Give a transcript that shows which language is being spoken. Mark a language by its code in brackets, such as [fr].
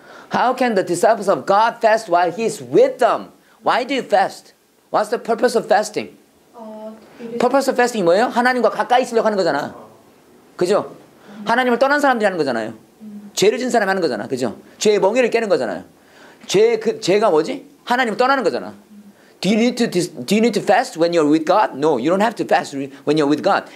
[en] How can the disciples of God fast while He's with them? Why do you fast? What's the purpose of fasting? Purpose of fasting [ko] 뭐예요? 하나님과 가까이 있으려고 하는 거잖아. 그죠? 하나님을 떠난 사람들이 하는 거잖아요. 죄를 진 사람이 하는 거잖아. 그죠? 죄의 멍에를 깨는 거잖아요. 죄가 뭐지? 하나님을 떠나는 거잖아. [en] Do you need to fast when you're with God? No, you don't have to fast when you're with God.